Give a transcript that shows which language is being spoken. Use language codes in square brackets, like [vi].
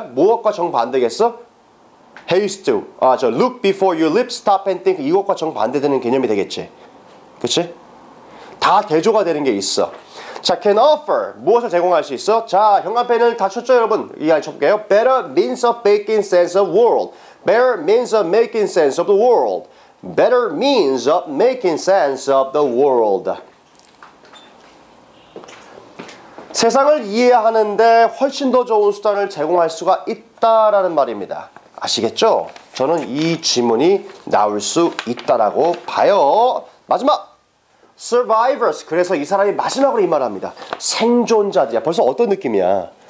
[ko] 무엇과 정반대겠어? Haste. 아, 저 [en] look before you leap, stop and think. [ko] 이것과 정반대되는 개념이 되겠지. 그치? 다 대조가 되는 게 있어. 자, can offer. 무엇을 제공할 수 있어? 자, 현관펜을 다 쳤죠, 여러분? 이해 좀 볼게요. [en] Better means of making sense of world. Better means of making sense of the world. Better means of making sense of the world. [ko] 세상을 이해하는 데 훨씬 더 좋은 수단을 제공할 수가 있다라는 말입니다. 아시겠죠? 저는 이 지문이 나올 수 있다라고 봐요. 마지막! Survivors. 그래서 이 사람이 마지막으로 이 말합니다. 생존자들이야. 벌써 어떤 느낌이야?